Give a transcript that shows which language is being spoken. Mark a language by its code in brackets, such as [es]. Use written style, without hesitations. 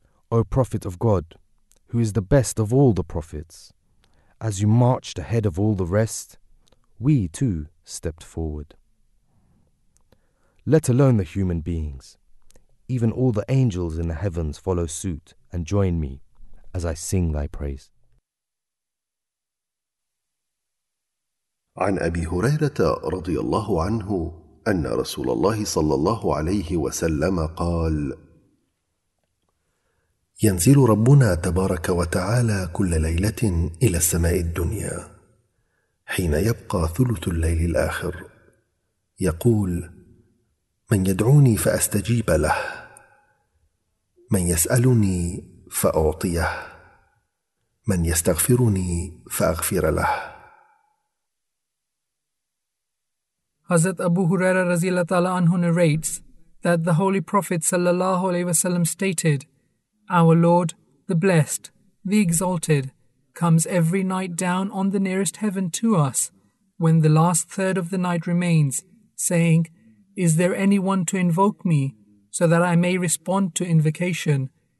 [en] O Prophet of God, who is the best of all the prophets, as you marched ahead of all the rest, we too stepped forward. Let alone the human beings, even all the angels in the heavens follow suit and join me as I sing thy praise. [ar] عن أبي هريرة رضي الله عنه أن رسول الله صلى الله عليه وسلم قال ينزل ربنا تبارك وتعالى كل ليلة إلى السماء الدنيا حين يبقى ثلث الليل الآخر يقول من يدعوني فأستجيب له من يسألني فأعطيه من يستغفرني فأغفر له. [en] Hazrat Abu Huraira [ar] رضي الله تعالى عنه [en] narrates that the Holy Prophet [ar] صلى الله عليه وسلم [en] stated, Our Lord, the Blessed, the Exalted, comes every night down on the nearest heaven to us when the last third of the night remains, saying, Is there anyone to invoke me so that I may respond to invocation?